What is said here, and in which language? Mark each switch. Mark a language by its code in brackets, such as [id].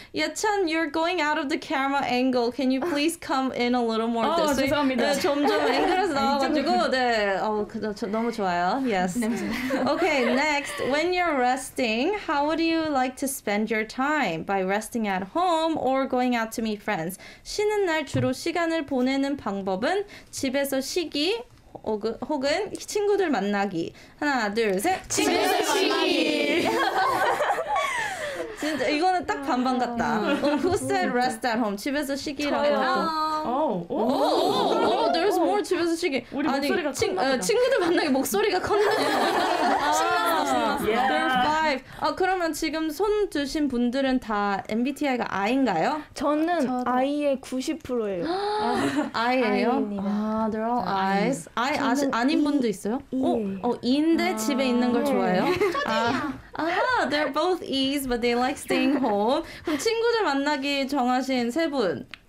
[en] Yechan, you're going out of the camera angle. Can you please come in a little more? [ko] 죄송합니다. 네, 점점 앵글에서 나와가지고 네. 너무 좋아요. [en] Yes. Okay, next. When you're resting, how would you like to spend your time? By resting at home or going out to meet friends? [ko] 쉬는 날 주로 시간을 보내는 방법은 집에서 쉬기 혹은 친구들 만나기. 하나, 둘, 셋. 집에서 쉬기. 진짜 이거는 딱 반반 같다. [en] Who said rest at home? [ko] 집에서 쉬기라고. 저요. [en] 오, there's more 집에서 쉬기. [ko] 우리 아니, 목소리가 큰가보다. 친구들 만나기 목소리가 컸네. 신났어. [en] There's five. [ko] 아, 그러면 지금 손 드신 분들은 다 MBTI가 I인가요? 저는 I의 90%예요. I예요? 아, [en] they're all I's. [ko] I 아닌 분도 있어요? 인데 집에 있는 걸 좋아해요? 저도요. [en] 아, they're both E's, but they like staying home. [ko] 그럼 친구들 만나기 정하신 세 분?